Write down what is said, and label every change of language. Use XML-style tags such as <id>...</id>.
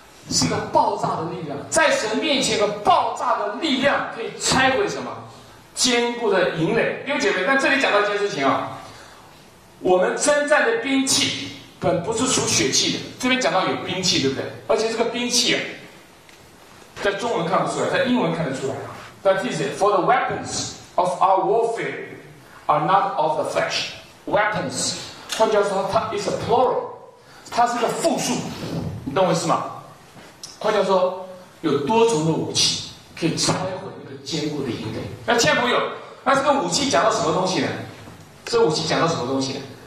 <zh>是一个爆炸的力量，在神面前的爆炸的力量可以拆毁什么坚固的营垒。弟兄姐妹，但这里讲到一件事情啊，我们征战的兵器本不是属血气的，这边讲到有兵器，对不对？而且这个兵器、啊、在中文看不出来，在英文看得出来啊。</zh> <en>That is it. For the weapons of our warfare are not of the flesh.</en> <zh>Weapons， 换句话说，它</zh> <en>is a plural，</en> <zh>它是个复数，你懂我意思吗？换句话说，有多重的武器可以拆毁那个坚固的营垒。那亲爱朋友，那这个武器讲到什么东西呢？这武器讲到什么东西呢？</zh>